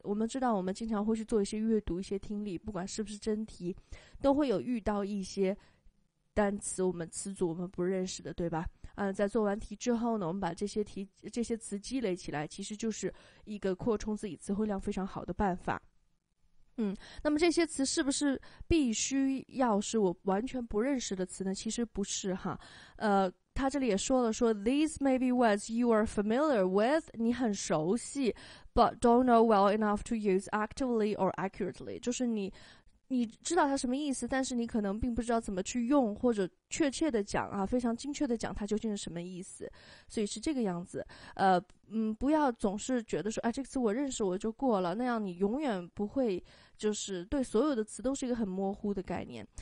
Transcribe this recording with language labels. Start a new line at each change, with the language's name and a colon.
Chinese: 我们知道，我们经常会去做一些阅读、一些听力，不管是不是真题，都会有遇到一些单词，我们词组我们不认识的，对吧？在做完题之后呢，我们把这些词积累起来，其实就是一个扩充自己词汇量非常好的办法。那么这些词是不是必须要是我完全不认识的词呢？其实不是哈。他这里也说了，说
English: These may be words you are familiar with,
Chinese: 你很熟悉
English: ，but don't know well enough to use actively or accurately。
Chinese: 就是你知道它什么意思，但是你可能并不知道怎么去用，或者确切的讲啊，非常精确的讲它究竟是什么意思。所以是这个样子。不要总是觉得说，哎，这个词我认识我就过了，那样你永远不会就是对所有的词都是一个很模糊的概念。